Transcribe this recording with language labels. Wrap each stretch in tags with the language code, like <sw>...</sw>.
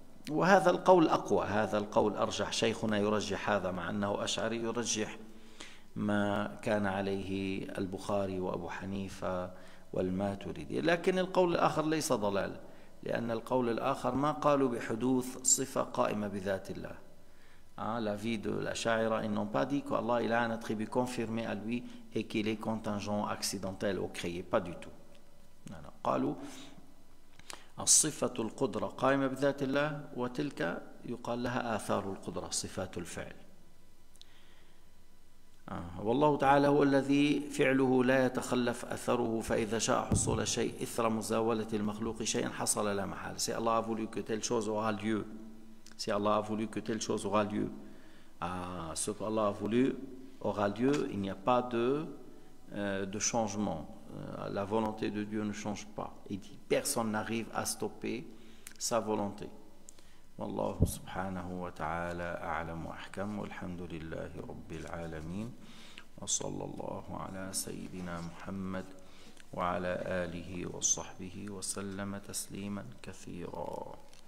<ar>وهذا القول أقوى، هذا القول أرجح، شيخنا يرجح هذا مع أنه أشعري، يرجح ما كان عليه البخاري وأبو حنيفة والماتريدي. لكن القول الآخر ليس ضلال، لأن القول الآخر ما قالوا بحدوث صفة قائمة بذات الله.</ar> <fr>La vie de la Sha'ira, ils n'ont pas dit qu'Allah il a un attribut confirmé à lui et qu'il est contingent, accidentel ou créé. Pas du tout.</fr> <ar>قالوا الصفة القدرة قائمة بذات الله وتلك يقال لها آثار القدرة، صفات الفعل. والله تعالى هو الذي فعله لا يتخلف أثره، فإذا شاء حصول شيء إثر مزاولة المخلوق شيئا حصل لا محال.</ar> <fr>Si Allah a voulu que telle chose aura lieu, si Allah a voulu que telle chose aura lieu, ce que Allah a voulu aura lieu, il n'y a pas de changement. La volonté de Dieu ne change pas. Il dit, personne n'arrive à stopper sa volonté.</fr> <ar>والله سبحانه وتعالى أعلم وأحكم، والحمد لله رب العالمين، وصلى الله على سيدنا محمد وعلى آله وصحبه وسلم تسليما كثيرا.</ar>